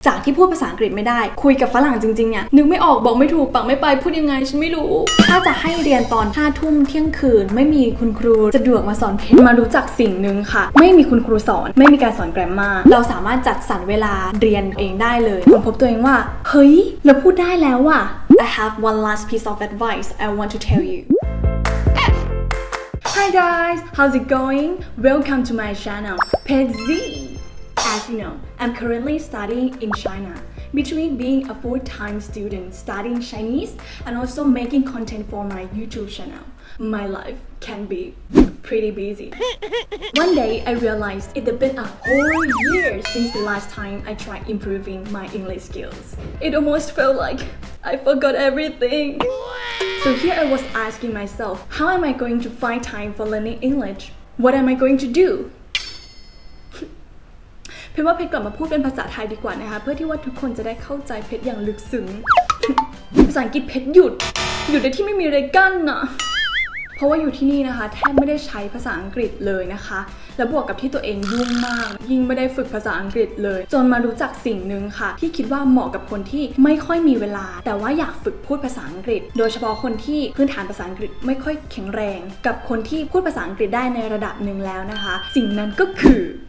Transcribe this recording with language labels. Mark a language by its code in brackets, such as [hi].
[th] จากที่พูดภาษาอังกฤษไม่ได้คุยกับฝรั่งจริงๆเนี่ยนึกไม่ออกบอกไม่ถูกปากไม่ไปพูดยังไงฉันไม่รู้ถ้าจะให้เรียนตอน5ทุ่มเที่ยงคืนไม่มีคุณครูสะดวกมาสอนเพชรมารู้จักสิ่งนึงค่ะไม่มีคุณครูสอนไม่มีการสอนแกรมมาเราสามารถจัดสรรเวลาเรียนเองได้เลยผมพบตัวเองว่าเฮ้ยเราพูดได้แล้วอ่ะ [en] I have one last piece of advice I want to tell youHi guys, how's it going? Welcome to my channel, Pezzi. As you know, I'm currently studying in China. Between being a full-time student studying Chinese and also making content for my YouTube channel, my life can be pretty busy. One day, I realized it had been a whole year since the last time I tried improving my English skills. It almost felt like I forgot everything. So here I was asking myself, how am I going to find time for learning English? What am I going to do? [th] เพชรว่าเพชรกลับมาพูดเป็นภาษาไทยดีกว่านะคะเพื่อที่ว่าทุกคนจะได้เข้าใจเพชรอย่างลึกซึ้งภาษาอังกฤษเพชรหยุดในที่ไม่มีอะไรกั้นน่ะเพราะว่าอยู่ที่นี่นะคะแทบไม่ได้ใช้ภาษาอังกฤษเลยนะคะแล้วบวกกับที่ตัวเองยุ่งมากยิ่งไม่ได้ฝึกภาษาอังกฤษเลยจนมารู้จักสิ่งนึงค่ะที่คิดว่าเหมาะกับคนที่ไม่ค่อยมีเวลาแต่ว่าอยากฝึกพูดภาษาอังกฤษโดยเฉพาะคนที่พื้นฐานภาษาอังกฤษไม่ค่อยแข็งแรงกับคนที่พูดภาษาอังกฤษได้ในระดับนึงแล้วนะคะสิ่งนั้นก็คือ